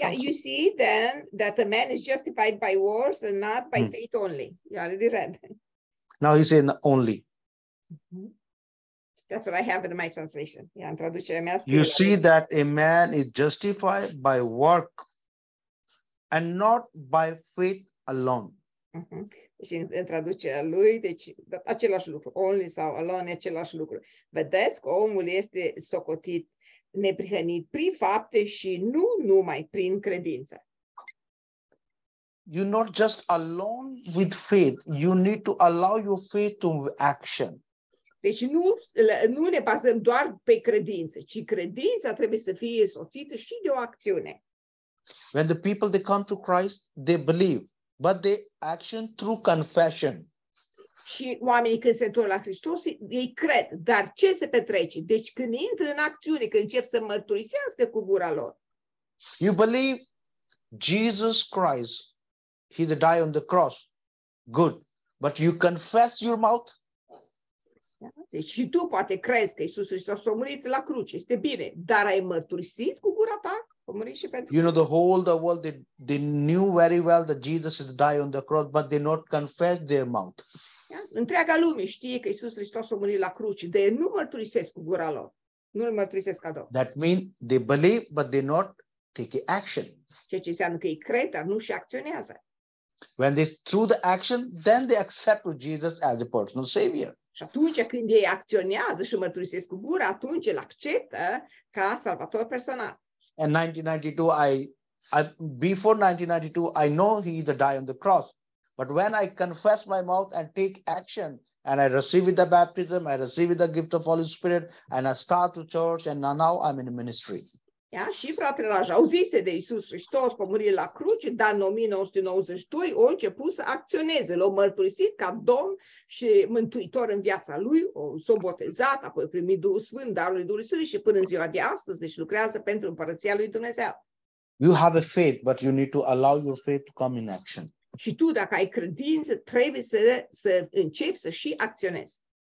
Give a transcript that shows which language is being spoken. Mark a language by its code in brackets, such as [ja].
[en] Yeah, you see then that a man is justified by works and not by faith only. You already read. Now he's saying only. That's what I have in my translation. Yeah, [ro] in traducerea mea. [en] You see that a man is justified by work and not by faith alone. [ro] Și în traducerea lui, deci același lucru, only sau alone, același lucru. Vedeți că omul este socotit neprihănit prin fapte și nu numai prin credință. [en] You're not just alone with faith. You need to allow your faith to action. [ro] Deci nu ne bazăm doar pe credință, ci credința trebuie să fie soțită și de o acțiune. [en] When the people they come to Christ, they believe, but they action through confession. [ro] Și oamenii când se întorc la Hristos, ei cred, dar ce se petrece? Deci când intră în acțiune, când încep să mărturisească cu gura lor. [en] You believe Jesus Christ, he died on the cross. Good. But you confess your mouth? [ro] Deci și tu poate crezi că Iisus Hristos a murit la cruce, este bine, dar ai mărturisit cu gura ta? [en] You know, the whole the world, they knew very well that Jesus is dying on the cross, but they not confess their mouth. [ro] Întreaga lume știe că Iisus Hristos a murit la cruce, dar nu mărturisesc cu gura lor. Nu mărturisesc ca Domn. [en] That means they believe, but they not take action. [ro] Ceea ce înseamnă că ei cred, dar nu și acționează. [en] When they through the action, then they accept Jesus as a personal savior. [ro] Și atunci când ei acționează și mărturisesc cu gura, atunci îl acceptă ca salvator personal. [en] And 1992, before 1992, I know he is a die on the cross. But when I confess my mouth and take action, and I receive the baptism, I receive the gift of Holy Spirit, and I start to church, and now I'm in ministry. [ro] Ia, și fratele Raj, auzise de Iisus Hristos că a murit la cruce, dar în 1992 a început să acționeze, l-a mărturisit ca Domn și Mântuitor în viața lui, s-a botezat, apoi a primit Duhul Sfânt, darul lui Duhului Sfânt și până în ziua de astăzi, deci lucrează pentru împărăția lui Dumnezeu. [en] You have a faith, but you need to allow your faith to come in action. [ro] Și tu, dacă ai credință, trebuie să începi să și acționezi.